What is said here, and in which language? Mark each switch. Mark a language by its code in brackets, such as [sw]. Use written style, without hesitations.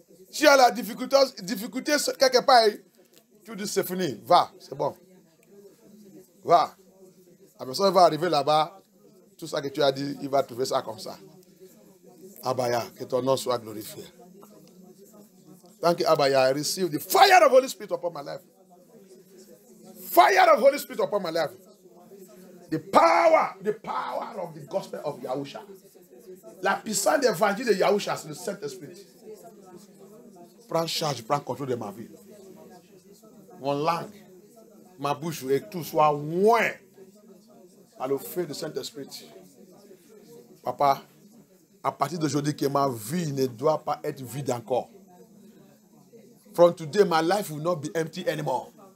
[fr] Si tu as la difficulté quelque part, tu dis c'est fini, va, c'est bon. Va. La personne va arriver là-bas, tout ça que tu as dit, il va trouver ça comme ça. Abaya, que ton nom soit glorifié. [en] Thank you, [fr] Abaya. [en] I receive the fire of Holy Spirit upon my life. Fire of Holy Spirit upon my life. The power of the gospel of Yahusha. [fr] La puissance de l'évangile de Yahusha, c'est le Saint-Esprit. Prends charge, prends contrôle de ma vie. Mon langue, ma bouche et tout soit moins par le feu du Saint-Esprit. Papa, à partir d'aujourd'hui, que ma vie ne doit pas être vide encore. [en] From today, my life will not be empty anymore.